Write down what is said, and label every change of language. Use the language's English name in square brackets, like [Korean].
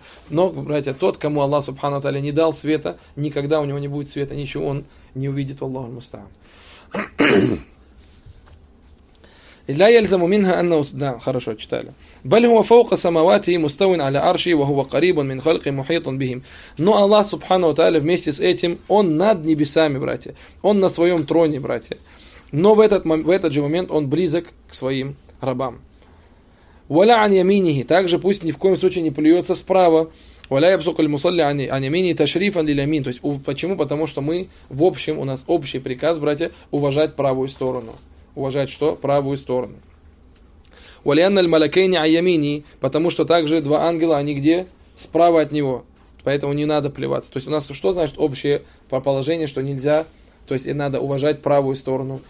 [Russian] Но, братья, тот, кому Аллах, субхана таля, не дал света, никогда у него не будет света, ничего он не увидит в Аллаху мустаам. [Arabic] لا يلزم منها أنه [Russian] да, хорошо читали. [Arabic] بل هو فوق سماواته مستوٍ على عرشه وهو قريب من خلقه محيط بهم. [Russian] Но Аллах Субхана ва Тааля вместе с этим, он над небесами, братья. Он на своем троне, братья. Но в этот же момент он близок к своим рабам. [Arabic] ولا عن يمينه, [Russian] также пусть ни в коем случае не плюется справа. [Arabic] ولا يبصق المصلي عن يمينه تشريفا لليمين. [Russian] То есть почему? Потому что мы в общем, у нас общий приказ, братья, уважать правую сторону. Уважать что? Правую сторону. [Arabic] Валианна аль-малакейни айямини, [Russian] потому что также два ангела, они где? Справа от него. Поэтому не надо плеваться. То есть у нас что значит общее положение, что нельзя, то есть и надо уважать правую сторону.